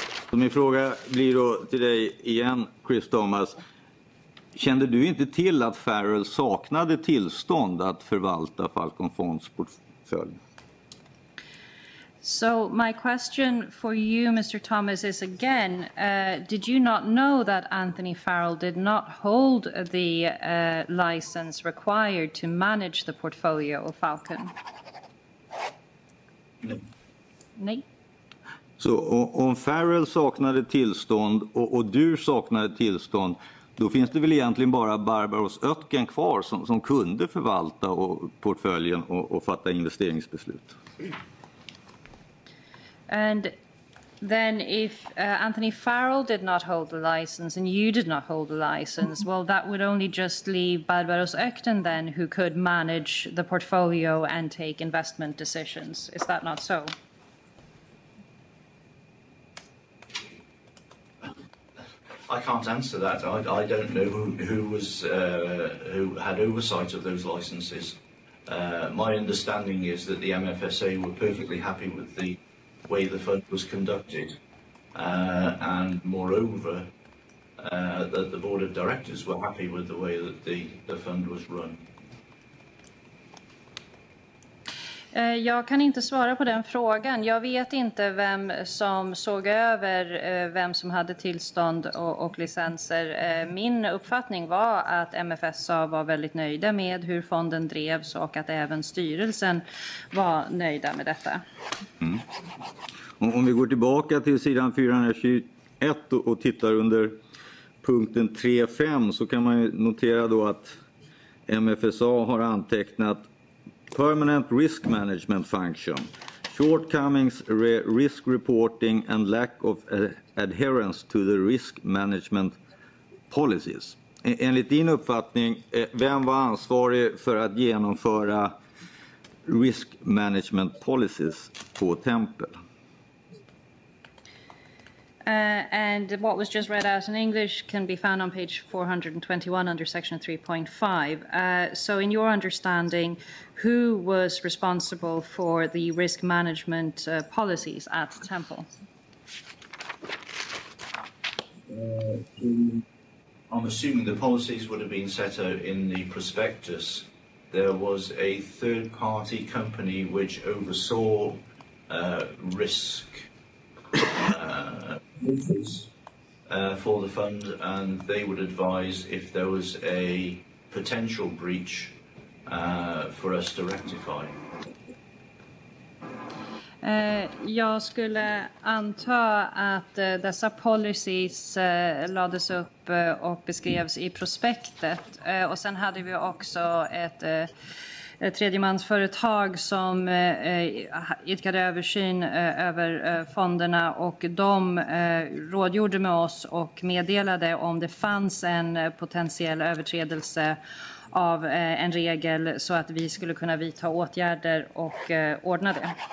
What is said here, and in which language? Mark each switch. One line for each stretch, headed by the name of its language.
Swedish: Så min fråga blir då till dig igen, Chris Thomas. Kände du inte till att Farrell saknade tillstånd att förvalta Falcon Fonds portfölj?
English: So my question for you, Mr. Thomas, is again, did you not know that Anthony Farrell did not hold the license required to manage the portfolio of Falcon?
Swedish: Nej. Nej. Så om Farrell saknade tillstånd och du saknade tillstånd, då finns det väl egentligen bara Barbaros Ötken kvar som kunde förvalta och portföljen och fatta investeringsbeslut.
English: And then if Anthony Farrell did not hold the license and you did not hold the license, well that would only just leave Barbaros Ötken then who could manage the portfolio and take investment decisions. Is that not so? Well, I can't answer that. I don't know who had oversight of those licenses. My understanding is that the MFSA were perfectly happy with the way the fund was conducted. And moreover, that the board of directors were happy with the way that the fund was run.
Swedish: Jag kan inte svara på den frågan. Jag vet inte vem som såg över vem som hade tillstånd och licenser. Min uppfattning var att MFSA var väldigt nöjda med hur fonden drevs och att även styrelsen var nöjda med detta. Mm. Om vi går tillbaka till sidan 421 och tittar under punkten 3.5 så kan man notera då att MFSA har antecknat
English: Permanent Risk Management Function, Shortcomings, Risk Reporting and Lack of Adherence to the Risk Management Policies.
Swedish: Enligt din uppfattning, vem var ansvarig för att genomföra
English: Risk Management Policies
Swedish: på Tempel?
English: And what was just read out in English can be found on page 421 under section 3.5. So in your understanding, who was responsible for the risk management policies at Temple? I'm assuming the policies would have been set out in the prospectus. There was a third party company which oversaw risk for the fund, and they would advise if there was a potential breach for us to rectify.
Swedish: Jag skulle anta att dessa policies lades upp och beskrevs i prospektet, och sen hade vi också ett tredjemansföretag som idkade översyn över fonderna, och de rådgjorde med oss och meddelade om det fanns en potentiell överträdelse av en regel så att vi skulle kunna vidta åtgärder och ordna det.